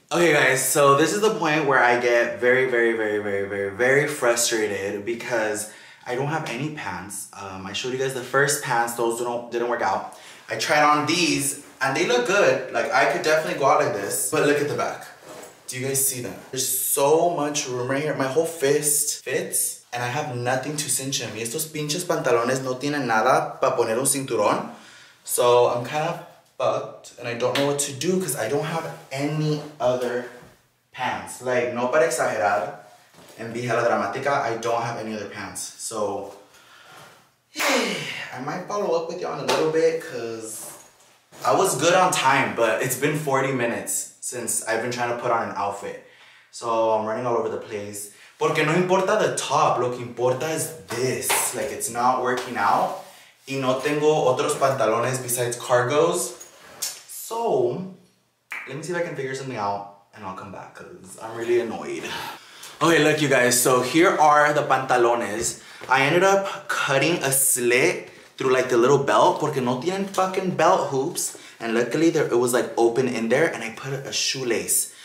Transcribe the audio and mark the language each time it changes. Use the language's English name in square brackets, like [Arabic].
[English] Okay, guys, so this is the point where I get very, very, very, very, very, very frustrated because I don't have any pants. I showed you guys the first pants. Those didn't work out. I tried on these, and they look good. Like, I could definitely go out like this. But look at the back. Do you guys see that? There's so much room right here. My whole fist fits, and I have nothing to cinch in. [Spanish] Estos pinches pantalones no tienen nada para poner un cinturón. [English] So I'm kind of fucked, and I don't know what to do because I don't have any other pants. Like, [Spanish] no para exagerar, en vigela dramática, [English] I don't have any other pants. So, I might follow up with y'all in a little bit because I was good on time, but it's been 40 minutes since I've been trying to put on an outfit. So I'm running all over the place. [Spanish] Porque no importa [English] the top, [Spanish] lo que importa [English] is this. Like, it's not working out. [Spanish] Y no tengo otros pantalones [English] besides cargos. So, let me see if I can figure something out and I'll come back because I'm really annoyed. Okay, look, you guys. So here are the pantalones. I ended up cutting a slit through like the little belt [Spanish] porque no tienen [English] fucking belt hoops. And luckily it was like open in there and I put a shoelace.